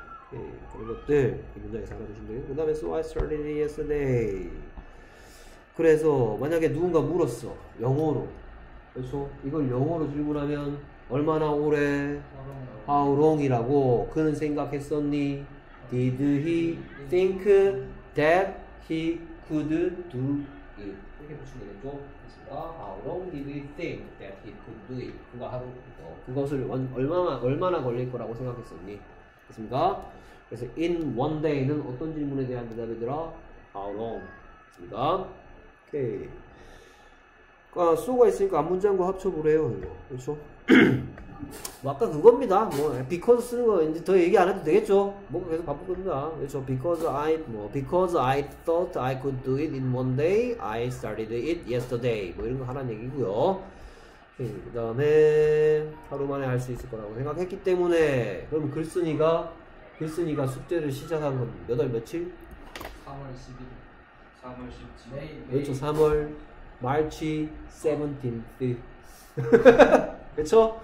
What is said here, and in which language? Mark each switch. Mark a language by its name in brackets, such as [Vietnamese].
[Korean] 네, 그런 것들 이 문장에서 알아주시면 돼요. 그 다음에 [English] so I started yesterday. [Korean] 그래서 만약에 누군가 물었어. 영어로. 그렇죠? 이걸 영어로 질문하면 얼마나 오래? [English] How long? [Korean] 이라고 그는 생각했었니? [English] Did he think that he could do it? [Korean] 이렇게 붙이면 되겠죠? 됐습니다. [English] How long did he think that he could do it? [Korean] 그거 하루, 그것을 얼마나 걸릴 거라고 생각했었니? 됐습니까? 그래서 in one day는 어떤 질문에 대한 대답이더라? [English] How long? [Korean] 됐습니다. 오케이. 아, 수고가 있으니까 앞 문장과 합쳐보래요. 이거. 그렇죠? 뭐 아까 그겁니다. 뭐 because 쓰는 거 이제 더 얘기 안 해도 되겠죠? 뭐 계속 바쁠 겁니다. 그렇죠? [English] Because I thought I could do it in one day, I started it yesterday. [Korean] 뭐 이런 거 하라는 얘기고요. 그 다음에 하루 만에 할 수 있을 거라고 생각했기 때문에 그럼 글쓴이가 숙제를 시작한 건 몇 월 며칠? 3월 12일. 3월 17일. 그렇죠. 3월 말치 17th. 그렇죠?